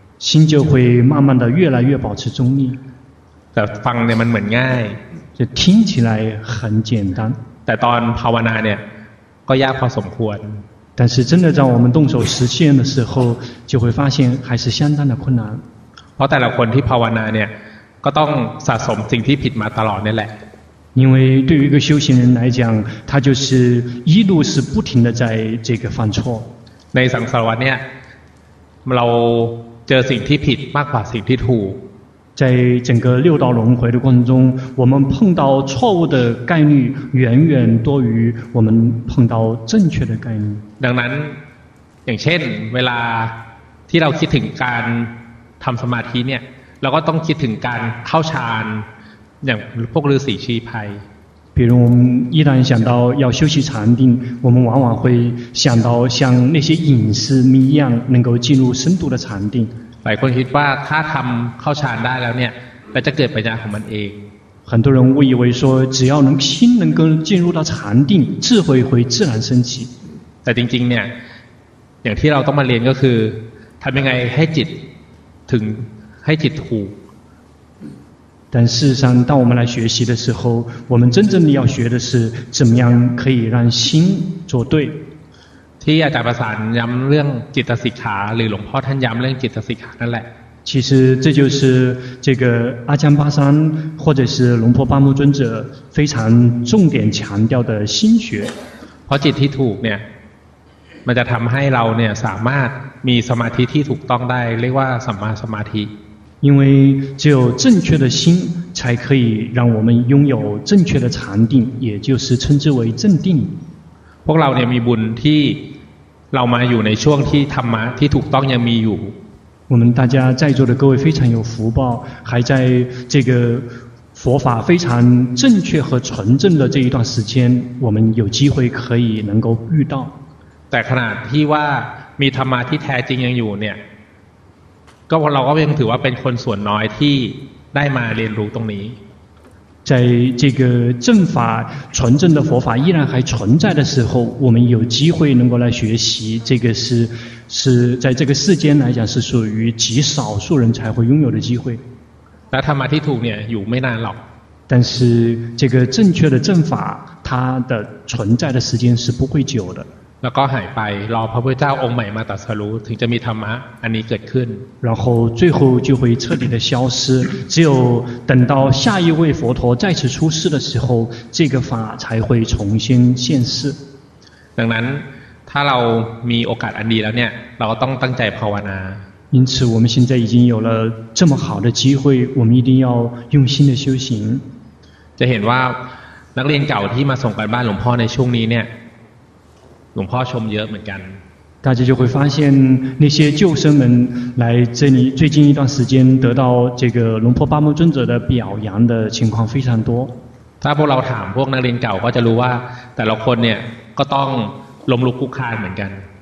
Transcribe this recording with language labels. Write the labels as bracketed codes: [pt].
[zh] 心就会慢慢的越来越保持中立 [th] แต่ฟังเนี่ยมันเหมือนง่าย [zh] 就听起来很简单 [th] แต่ตอนภาวนาเนี่ยก็ยากพอสมควร [zh] 但是真的在我们动手实现的时候就会发现还是相当的困难 [th] เพราะแต่ละคนที่ภาวนาเนี่ยก็ต้องสะสมสิ่งที่ผิดมาตลอดนี่แหละ [zh] 因为对于一个修行人来讲他就是一路是不停的在这个犯错 [th] ในสังสารวัฏเนี่ยเราเจอสิ่งที่ผิดมากกว่าสิ่งที่ถูก [zh] 在整个六道轮回的过程中我们碰到错误的概率远远多于我们碰到正确的概率 [th] ดังนั้นอย่างเช่นเวลาที่เราคิดถึงการทำสมาธิเนี่ยเราก็ต้องคิดถึงการเข้าฌานอย่างพวกฤาษีชีพัย [zh] 比如我们一旦想到要修习禅定我们往往会想到像那些隐士一样能够进入深度的禅定 [th] หลายคนคิดว่าถ้าทำเข้าฌานได้แล้วเนี่ยจะเกิดปัญญาของมันเอง [zh] 很多人误以为说只要能心能够进入到禅定智慧会自然升起 [th] แต่จริงๆเนี่ยอย่างที่เราต้องมาเรียนก็คือทำยังไงให้จิตถึงให้จิตถูก [zh] 但事实上当我们来学习的时候我们真正的要学的是怎么样可以让心做对 [th] ที่อาจารย์ประสานย้ำเรื่องจิตสิกขาหรือหลวงพ่อท่านย้ำเรื่องจิตสิกขานั่นแหละ [zh] 其实这就是这个阿姜巴山或者是龙婆巴木尊者非常重点强调的心学 [th] เพราะจิตที่ถูกเนี่ยมันจะทำให้เราเนี่ยสามารถมีสมาธิที่ถูกต้องได้เรียกว่าสัมมาสมาธิ [zh] 因为只有正确的心才可以让我们拥有正确的禅定也就是称之为正定 [th] พวกเราเนี่ยมีบุญที่เรามาอยู่ในช่วงที่ธรรมะที่ถูกต้องยังมีอยู่ [zh] 我们大家在座的各位非常有福报还在这个佛法非常正确和纯正的这一段时间我们有机会可以能够遇到 [th] แต่ขณะที่ว่ามีธรรมะที่แท้จริงยังอยู่เนี่ยก็เราก็ยังถือว่าเป็นคนส่วนน้อยที่ได้มาเรียนรู้ตรงนี้ ใน [zh] 这个正法纯正的佛法依然还存在的时候我们有机会能够来学习这个是在这个世间来讲是属于极少数人才会拥有的机会 [th] แต่ธรรมะที่ถูกเนี่ยอยู่ไม่นานหรอก [zh] 但是这个正确的正法它的存在的时间是不会久的 [th] แล้วก็หายไปรอพระพุทธเจ้าองค์ใหม่มาตรัสรู้ถึงจะมีธรรมะอันนี้เกิดขึ้น [zh] 然后最后就会彻底的消失只有等到下一位佛陀再次出世的时候这个法才会重新现世 [th] ดังนั้นถ้าเรามีโอกาสอันดีแล้วเนี่ยเราก็ต้องตั้งใจภาวนา [zh] 因此我们现在已经有了这么好的机会我们一定要用心的修行 [th] จะเห็นว่านักเรียนเก่าที่มาส่งการบ้านหลวงพ่อในช่วงนี้เนี่ยหลวงพ่อชมเยอะเหมือนกัน [zh] 大家就会发现那些旧生们来这里最近一段时间得到这个龙婆巴木尊者的表扬的情况非常多 [th] ถ้าพวกเราถามพวกนักเรียนเก่าก็จะรู้ว่าแต่ละคนเนี่ยก็ต้องล้มลุกคลุกคลานเหมือนกัน